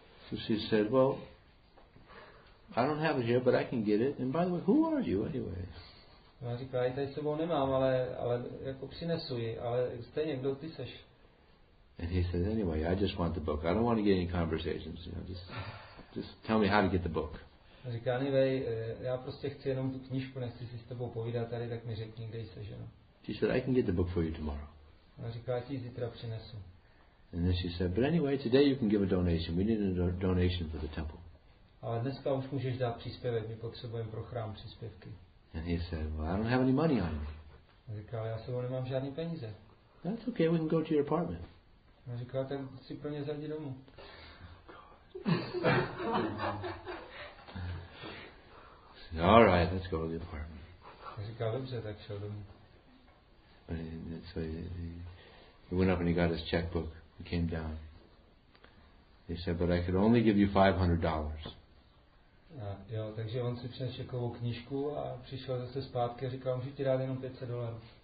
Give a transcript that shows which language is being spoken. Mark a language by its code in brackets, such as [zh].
[en] So she said, well, I don't have it here, but I can get it. And by the way, who are you anyway? [cs] Já říkám, já tady s tebou nemám, ale jako přinesu ji, ale stejně, kdo ty seš? [en] And he said, anyway, I just want the book. I don't want to get any conversations. You know, just tell me how to get the book. [cs] Říká, anyway, já prostě chci jenom tu knížku, nechci si s tebou povídat tady, tak mi řekni, kde jsi, že no. [en] She said, I can get the book for you tomorrow. [cs] Ona říká, já ti ji zítra přinesu. [en] And then she said, but anyway, today you can give a donation. We need a donation for the temple. [cs] Ale dneska už můžeš dát příspěvek, my potřebujeme pro chrám příspěvky. [en] And he said, well, I don't have any money on me. [cs] Říká, já sebou nemám žádný peníze. [en] That's okay, we can go to your apartment. [cs] A říká, tak si plně zajdi domů. [en] All right, let's go to the apartment. [cs] A říká, dobře, tak šel domů. [en] So he went up and he got his checkbook. He came down. He said, but I could only give you $500. [cs] Jo, takže on si přinesl čekovou knížku a přišel zase zpátky a říkal, můžu ti dát jenom $500.